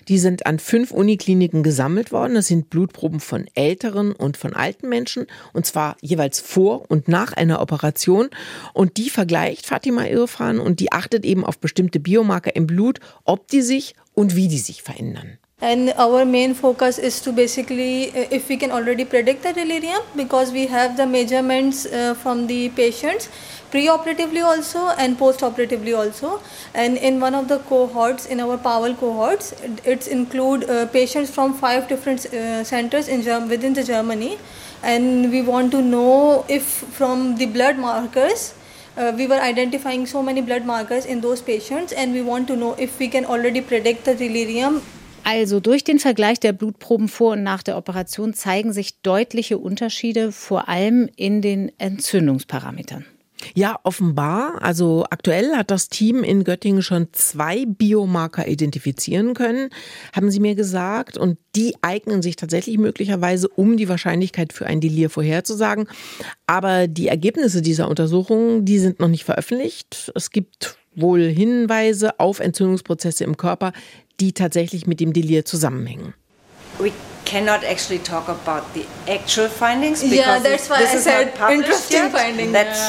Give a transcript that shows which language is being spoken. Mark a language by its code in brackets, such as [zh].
[de] Die sind an 5 Unikliniken gesammelt worden. Das sind Blutproben von älteren und von alten Menschen. Und zwar jeweils vor und nach einer Operation. Und die vergleicht Fatima Irfan und die achtet eben auf bestimmte Biomarker im Blut, ob die sich und wie die sich verändern. [en] And our main focus is to basically if we can already predict the delirium because we have the measurements from the patients preoperatively also and postoperatively also. And in one of the cohorts, in our Powell cohorts, it's include patients from 5 different centers in within the Germany. And we want to know if from the blood markers we were identifying so many blood markers in those patients and we want to know if we can already predict the delirium. [de] Also durch den Vergleich der Blutproben vor und nach der Operation zeigen sich deutliche Unterschiede, vor allem in den Entzündungsparametern. Ja, offenbar. Also aktuell hat das Team in Göttingen schon 2 Biomarker identifizieren können, haben sie mir gesagt. Und die eignen sich tatsächlich möglicherweise, um die Wahrscheinlichkeit für ein Delir vorherzusagen. Aber die Ergebnisse dieser Untersuchungen, die sind noch nicht veröffentlicht. Es gibt wohl Hinweise auf Entzündungsprozesse im Körper, die tatsächlich mit dem Delir zusammenhängen. [en] We cannot actually talk about the actual findings because this is not published yet.